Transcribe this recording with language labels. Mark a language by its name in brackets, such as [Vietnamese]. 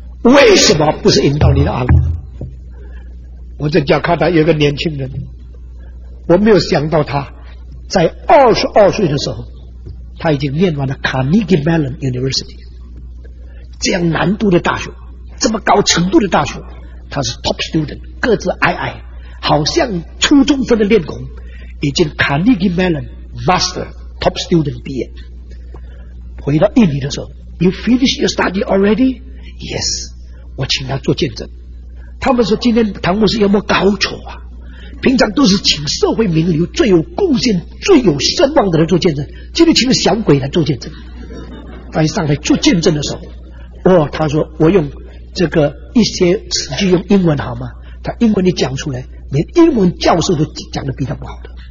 [Chinese] 为什么不是引导你的阿罗？我在加卡达有个年轻人，我没有想到他在22岁的时候他已经念完了 Carnegie Mellon University， 这样难度的大学，这么高程度的大学，他是 [English] top student， [Chinese] 个子矮矮，好像初中生的练功，已经 Carnegie Mellon Master top student 毕业。回到印尼的时候， [English] You finish your study already? Yes， [Chinese] 我请他做见证。他们说今天唐牧师有没有搞错啊，平常都是请社会名流最有贡献最有声望的人做见证，今天请个小鬼来做见证。他一上来做见证的时候，哦，他说我用这个一些词句用英文好吗？他英文你讲出来，连英文教授都讲得比他不好的。